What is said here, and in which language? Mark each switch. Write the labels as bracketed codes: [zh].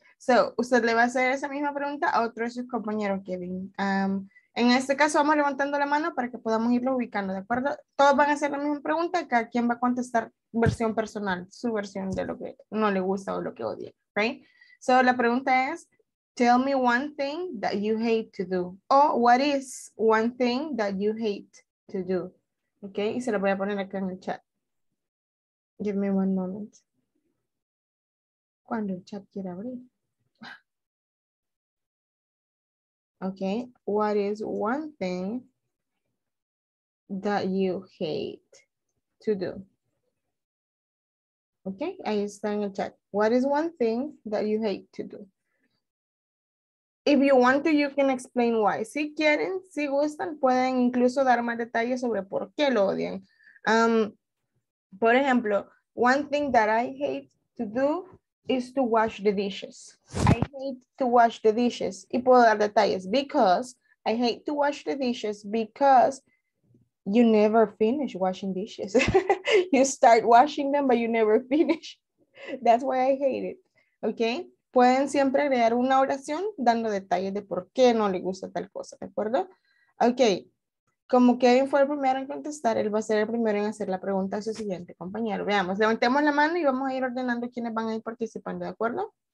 [es] So, usted le va a hacer esa misma pregunta a otro de sus compañeros, Kevin. En este caso, vamos levantando la mano para que podamos irlo ubicando, ¿de acuerdo? Todos van a hacer la misma pregunta, cada quien va a contestar versión personal, su versión de lo que no le gusta o lo que odia, right? [en] So, [es] la pregunta es, [en] tell me one thing that you hate to do. O, what is one thing that you hate to do? [es] Okay, y se la voy a poner acá en el chat. [en] Give me one moment. [es] Cuando el chat quiera abrir. [en] Okay, what is one thing that you hate to do? Okay, [es] ahí está en el chat. [en] What is one thing that you hate to do? If you want to, you can explain why. [es] Si quieren, si gustan, pueden incluso dar más detalles sobre por qué lo odian. Por ejemplo, [en] one thing that I hate to do is to wash the dishes. I hate to wash the dishes. [es] Y puedo dar detalles. [en] Because I hate to wash the dishes because you never finish washing dishes. You start washing them, but you never finish. That's why I hate it. Okay? [es] Pueden siempre agregar una oración dando detalles de por qué no le gusta tal cosa. ¿De acuerdo? Okay. Como Kevin fue el primero en contestar, él va a ser el primero en hacer la pregunta a su siguiente compañero. Veamos, levantemos la mano y vamos a ir ordenando quiénes van a ir participando, ¿de acuerdo?